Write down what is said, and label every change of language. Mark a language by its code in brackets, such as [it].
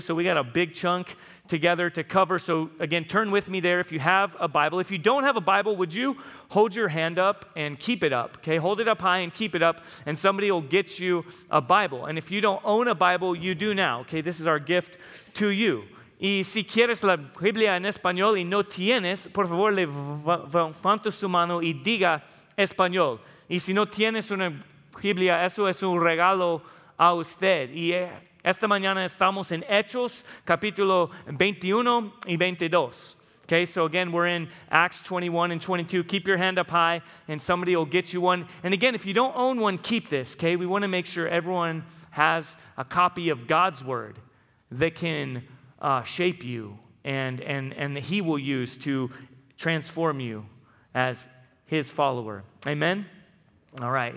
[en] So we got a big chunk together to cover. So again, turn with me there if you have a Bible. If you don't have a Bible, would you hold your hand up and keep it up? Okay, hold it up high and keep it up, and somebody will get you a Bible. And if you don't own a Bible, you do now. Okay, this is our gift to you. [es] Y si quieres la Biblia en español y no tienes, por favor, levanta su mano y diga español. Y si no tienes una Biblia, eso es un regalo a usted. Y esta mañana estamos en Hechos, capítulo 21 y 22. [en] Okay, so again, we're in Acts 21 and 22. Keep your hand up high and somebody will get you one. And again, if you don't own one, keep this, okay? We want to make sure everyone has a copy of God's Word that can shape you and that he will use to transform you as his follower. Amen? All right.